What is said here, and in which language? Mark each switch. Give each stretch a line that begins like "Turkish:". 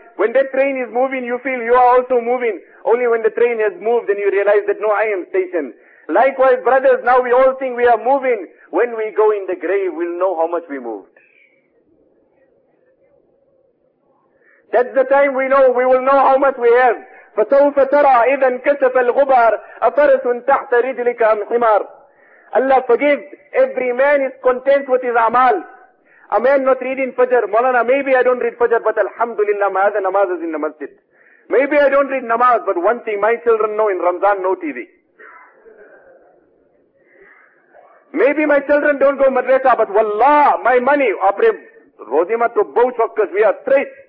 English: When that train is moving, you feel you are also moving. Only when the train has moved, then you realize that no, I am stationed. Likewise, brothers, now we all think we are moving. When we go in the grave, we'll know how much we moved. That's the time we know, we will know how much we have.
Arabic: فَسَوْفَ تَرَى إِذَا انْكَسَفَ الْغُبَارِ أَفَرَسٌ تَحْتَ رِجْلِكَ أَمْ حِمَارِ
English: Allah forgive, every man is content with his amal. A man not reading Fajr, Mawlana, maybe I don't read Fajr, but Alhamdulillah, my other namaz is in the masjid. Maybe I don't read namaz, but one thing my children know, in Ramzan, no TV. Maybe my children don't go madrasa, but wallah, my money,
Gujarati: apre rozima to bahut chokkas,
English: we are straight.